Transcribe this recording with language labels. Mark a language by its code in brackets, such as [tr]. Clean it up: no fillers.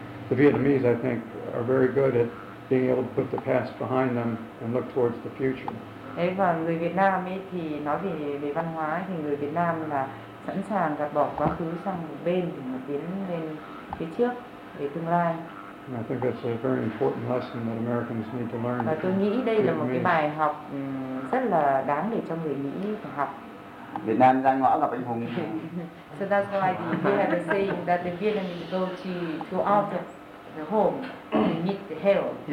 [en] The Vietnamese I think are very good at being able to put the past behind them and look towards the future. [vi] Đấy, và người Việt Nam ấy thì nói về văn hóa ấy, thì người Việt Nam là sẵn sàng gạt bỏ quá khứ sang một bên để mà tiến lên phía trước về tương lai. [en] I think that's a very important lesson that Americans need to learn. [vi] Và tôi nghĩ đây là một cái bài học rất là đáng để cho người Mỹ phải học. Việt Nam ra ngõ gặp anh hùng. [en] So that's why we have the saying that the Vietnamese go to out of the home to meet the hero.